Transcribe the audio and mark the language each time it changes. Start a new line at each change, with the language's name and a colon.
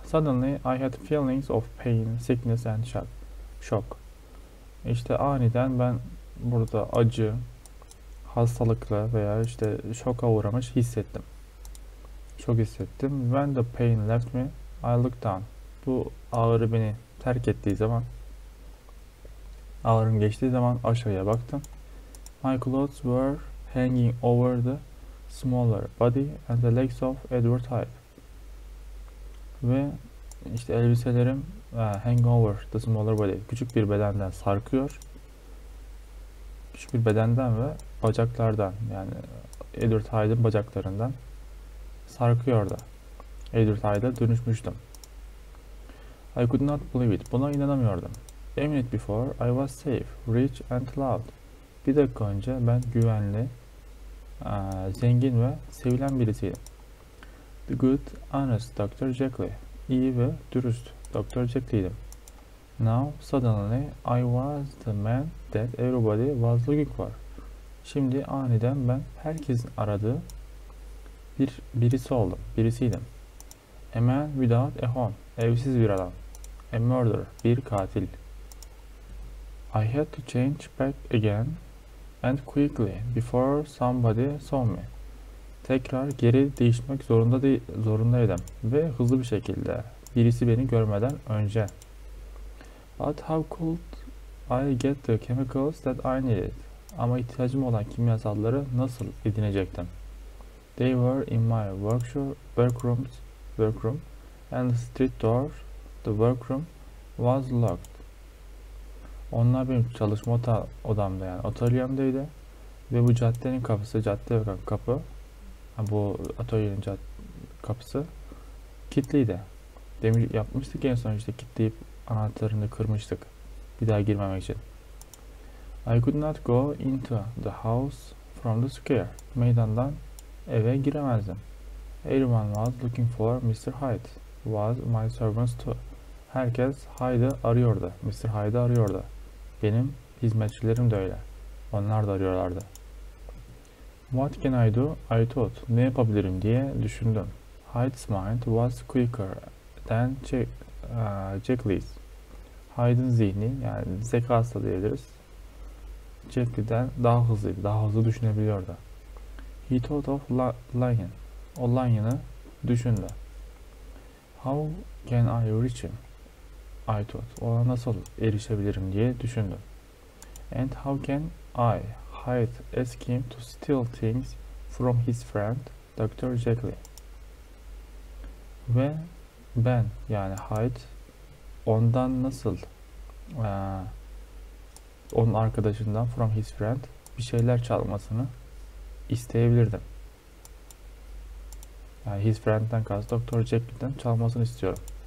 English: Suddenly I had feelings of pain, sickness and shock.
Turkish: Şok. İşte aniden ben burada acı, hastalıklı veya işte şoka uğramış hissettim. Şok hissettim.
English: When the pain left me, I looked down.
Turkish: Bu ağrı beni terk ettiği zaman, ağrım geçtiği zaman aşağıya baktım.
English: My clothes were hanging over the smaller body and the legs of Edward Hyde.
Turkish: Ve işte elbiselerim
English: hangover the smaller body.
Turkish: Küçük bir bedenden sarkıyor. Küçük bir bedenden ve bacaklardan, yani Edward Hyde'ın bacaklarından sarkıyordu. Edward Hyde'a dönüşmüştüm.
English: I could not believe it.
Turkish: Buna inanamıyordum.
English: A minute before I was safe, rich and loved.
Turkish: Bir dakika önce ben güvenli, zengin ve sevilen birisiydim.
English: The good, honest Dr. Jekyll.
Turkish: İyi ve dürüst Dr. Jekyll'ydim.
English: Now, suddenly, I was the man that everybody was looking for.
Turkish: Şimdi aniden ben herkesin aradığı birisi oldum, birisiydim.
English: A man without a home.
Turkish: Evsiz bir adam.
English: A murderer.
Turkish: Bir katil.
English: I had to change back again and quickly before somebody saw me.
Turkish: Tekrar geri değişmek zorundaydım ve hızlı bir şekilde birisi beni görmeden önce.
English: But how could I get the chemicals that I needed?
Turkish: Ama ihtiyacım olan kimyasalları nasıl edinecektim?
English: They were in my workroom and the street door, the workroom was locked.
Turkish: Onlar benim çalışma odamda, yani atölyemdeydi. Ve bu caddenin kapısı, cadde ve kapı, yani bu atölyenin kapısı kilitliydi. Demir yapmıştık en son, işte kilitleyip anahtarını kırmıştık bir daha girmemek için.
English: I could not go into the house from the square.
Turkish: Meydandan eve giremezdim.
English: Everyone was looking for Mr. Hyde. Was my servants too.
Turkish: Herkes Hyde'ı arıyordu. Mr. Hyde'ı arıyordu. Benim hizmetçilerim de öyle. Onlar da arıyorlardı.
English: What can I do? I thought.
Turkish: Ne yapabilirim diye düşündüm.
English: Hyde's mind was quicker than Jekyll's.
Turkish: Hyde'ın zihni, yani zekası da diyebiliriz, Jekyll'den daha hızlıydı. Daha hızlı düşünebiliyordu.
English: He thought of Lion.
Turkish: O Lion'ı düşündü.
English: How can I reach him? I thought.
Turkish: Ona nasıl erişebilirim diye düşündüm.
English: And how can I hide ask him to steal things from his friend Dr. Jekyll?
Turkish: Ve ben, yani Hyde, ondan nasıl onun arkadaşından,
English: from his friend,
Turkish: bir şeyler çalmasını isteyebilirdim. Yani his friend'den kastı Dr. Jekyll'den çalmasını istiyorum.